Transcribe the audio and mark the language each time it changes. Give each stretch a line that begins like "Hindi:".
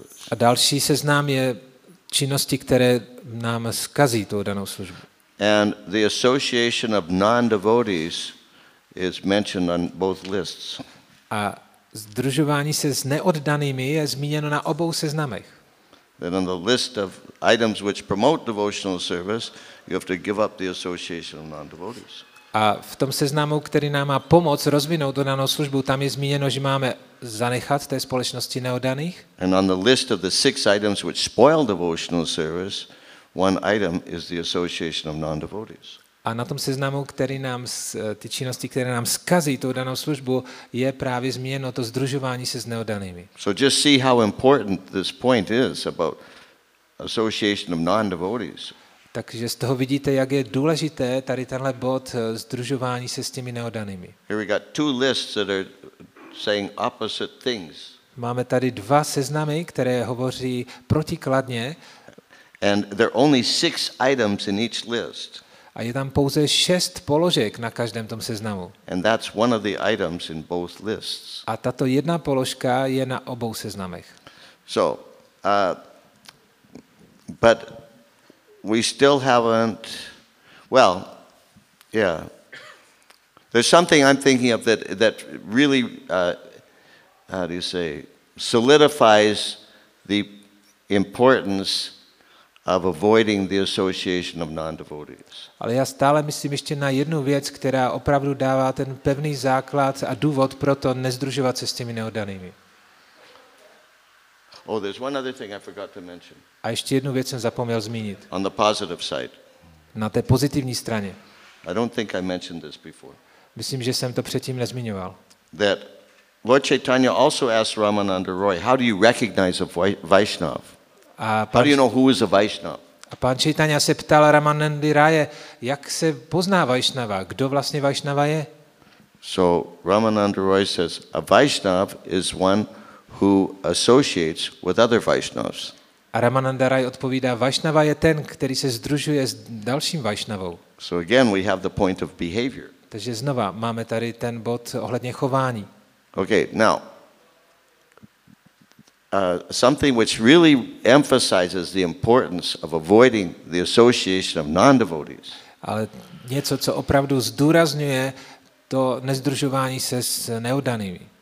Czech: A další seznam je činnosti, které nám zkazí tu danou službu.
English: And the association of non-devotees is mentioned on both lists.
Czech: A sdružování se s neoddanými je zmíněno na obou seznamech.
English: Then on the list of items which promote devotional service, you have to give up the association of non-devotees.
Czech: A v tom seznamu, který nám má pomoct rozvinout danou službu, tam je zmíněno, že máme zanechat té společnosti neoddaných.
English: And on the list of the six items which spoil devotional service, one item is the association of non-devotees.
Czech: A na tom seznamu, který nám ty činnosti, které nám zkazí tu danou službu, je právě zmíněno to sdružování se s neoddanými.
English: So just see how important this point is about association of non-devotees.
Czech: Takže z toho vidíte, jak je důležité tady tenhle bod sdružování se s těmi neoddanými.
English: Here we got two lists that are saying opposite things.
Czech: Máme tady dva seznamy, které hovoří protikladně.
English: And there are only six items in each list.
Czech: A je tam pouze šest položek na každém tom seznamu.
English: And that's one of the items in both lists.
Czech: A tato jedna položka je na obou seznamech.
English: So, but we still haven't. Well, yeah. There's something I'm thinking of that really, how do you say, solidifies the importance of avoiding the association of non-devotees.
Czech: Ale já stále myslím ještě na jednu věc, která opravdu dává ten pevný základ a důvod pro to nezdružovat se s těmi neoddanými.
English: Oh, there's one other thing I forgot to mention.
Czech: A ještě jednu věc jsem zapomněl zmínit.
English: On the positive side.
Czech: Na té pozitivní straně.
English: I don't think I mentioned this before.
Czech: Myslím, že jsem to předtím nezmiňoval.
English: That Lord Chaitanya also asked Ramananda Roy, how do you recognize a Vaishnav? How do you know who is a Vaishnav?
Czech: A pan Chaitanya se ptal Ramanandy Raye, jak se pozná Vaishnava, kdo vlastně Vaishnava je?
English: So Ramananda Roy says, a Vaishnav is one who associates with other Vaishnavs.
Czech: A Ramananda Raye odpovídá, Vaishnava je ten, který se sdružuje s dalším Vaishnavou.
English: So again we have the point of behavior.
Czech: Takže znova máme tady ten bod ohledně chování.
English: Okay, now something which really emphasizes the importance of avoiding the association of non-devotees.
Czech: Ale něco, co opravdu zdůrazňuje to nezdružování se s neoddanými.